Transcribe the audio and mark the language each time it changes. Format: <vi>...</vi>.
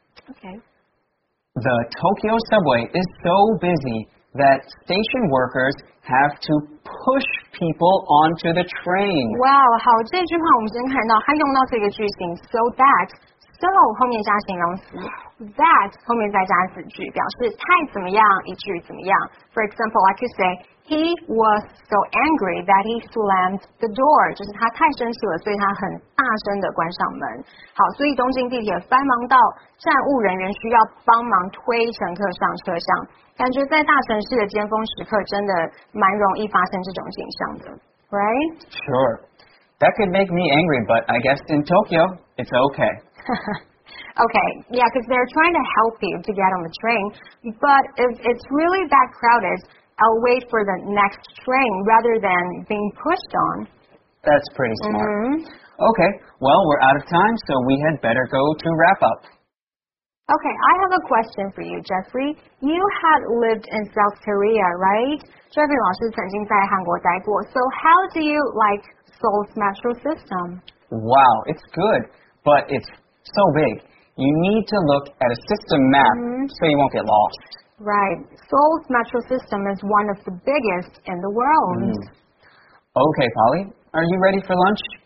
<en>Okay. The Tokyo subway is so busy that station workers have to push people onto the train.</en> <zh>Wow, 好，这句话我们先看到它用到这个句型 so that, so 后面加形容词 that 后面再加子句，表示太怎么样，一句怎么样。</zh> <en>For example, I could say he was so angry that he slammed the door,</en> <zh>就是他太生气了，所以他很大声的关上门。好，所以东京地铁繁忙到站务人员需要帮忙推乘客上车厢，感觉在大城市的尖峰时刻真的蛮容易发生这种景象的， right?</zh> <en>Sure. That could make me angry, but I guess in Tokyo, it's okay. Okay, yeah, because they're trying to help you to get on the train. But if it's really that crowded, I'll wait for the next train rather than being pushed on. That's pretty smart. Mm-hmm. Okay, well, we're out of time, so we had better go to wrap up. Okay, I have a question for you, Jeffrey. You had lived in South Korea, right?</en> <zh>Jeffrey 老师曾经在韩国待过。</zh> <en>So how do you like Seoul's metro system? Wow, it's good, but it's so big. You need to look at a system map so you won't get lost. Right. Seoul's metro system is one of the biggest in the world. Okay, Polly, are you ready for lunch?</en>